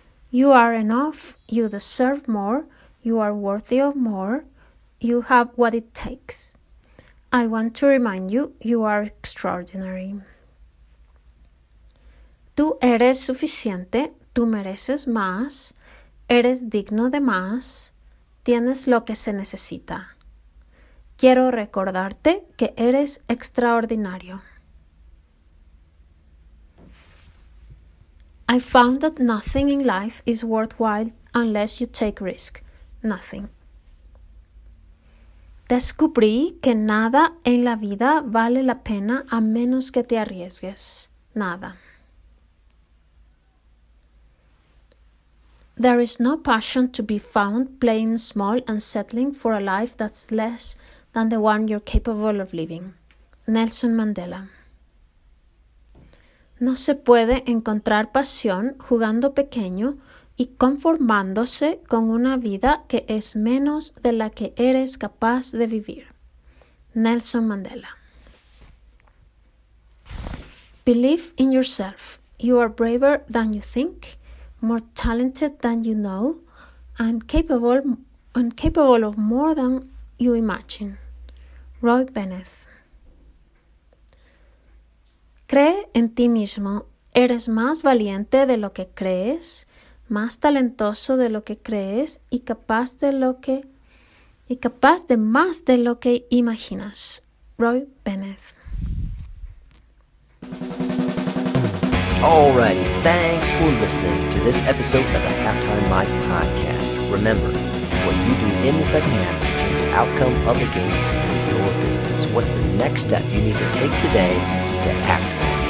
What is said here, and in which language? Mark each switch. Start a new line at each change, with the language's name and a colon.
English: You are enough, you deserve more, you are worthy of more, you have what it takes. I want to remind you, you are extraordinary.
Spanish: Tú eres suficiente, tú mereces más, eres digno de más, tienes lo que se necesita. Quiero recordarte que eres extraordinario.
English: I found that nothing in life is worthwhile unless you take risk. Nothing.
Spanish: Descubrí que nada en la vida vale la pena a menos que te arriesgues. Nada.
English: There is no passion to be found playing small and settling for a life that's less than the one you're capable of living. Nelson Mandela.
Spanish: No se puede encontrar pasión jugando pequeño y conformándose con una vida que es menos de la que eres capaz de vivir. Nelson Mandela.
English: Believe in yourself. You are braver than you think, more talented than you know, and capable of more than you imagine. Roy Bennett.
Spanish: Cree en ti mismo. Eres más valiente de lo que crees, más talentoso de lo que crees y capaz de más de lo que imaginas. Roy Bennett.
English: Alrighty, thanks for listening to this episode of the Halftime Mike Podcast. Remember, what you do in the second half can change the outcome of the game for your business. What's the next step you need to take today to act?